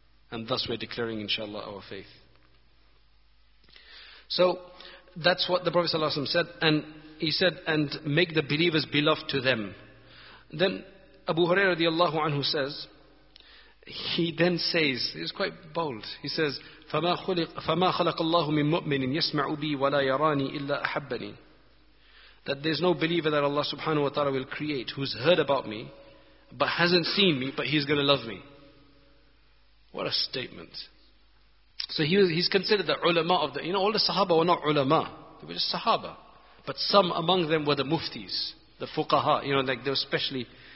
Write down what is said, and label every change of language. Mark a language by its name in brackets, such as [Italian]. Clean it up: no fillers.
[English] And thus we're declaring, inshallah, our faith. So that's what the Prophet ﷺ said. And he said, and make the believers beloved to them. Then Abu Huraira radiallahu anhu says, he then says, he's quite bold. He says, [Arabic] فَمَا خَلَقَ اللَّهُ مِن مُؤْمِنٍ يَسْمَعُ بِي وَلَا يَرَانِي إِلَّا أَحَبَّنِي. [English] That there's no believer that Allah subhanahu wa ta'ala will create who's heard about me, but hasn't seen me, but he's going to love me. What a statement. So he's considered the ulama of the... You know, all the sahaba were not ulama. They were just sahaba. But some among them were the muftis, the fuqaha. You know, like they were specially...